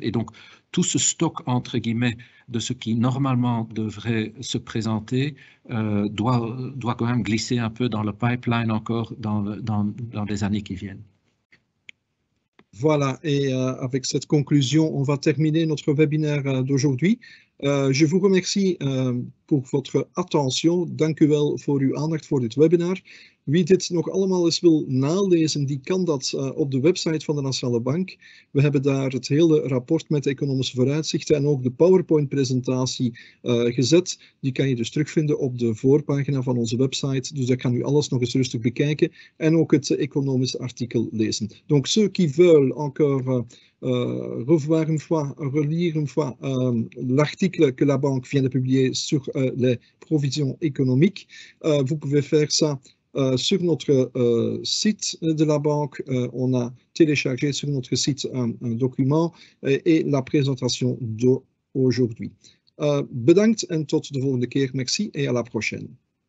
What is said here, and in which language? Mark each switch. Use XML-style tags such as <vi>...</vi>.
<fr>Et donc, tout ce stock, entre guillemets, de ce qui normalement devrait se présenter doit quand même glisser un peu dans le pipeline encore dans les années qui viennent. Voilà, et avec cette conclusion, on va terminer notre webinaire d'aujourd'hui. Je vous remercie pour votre attention.</fr> <nl>Dank u wel voor uw aandacht voor dit webinaire. Wie dit nog allemaal eens wil nalezen, die kan dat op de website van de Nationale Bank. We hebben daar het hele rapport met economische vooruitzichten en ook de PowerPoint-presentatie gezet. Die kan je dus terugvinden op de voorpagina van onze website. Dus daar kan u alles nog eens rustig bekijken en ook het economische artikel lezen.</nl> <fr>Donc ceux qui veulent encore revoir une fois, relire une fois l'article que la banque vient de publier sur les provisions économiques, vous pouvez faire ça sur notre site de la banque. On a téléchargé sur notre site un document et la présentation d'aujourd'hui.</fr> <nl>Bedankt en tot de volgende keer.</nl> <fr>Merci et à la prochaine.</fr>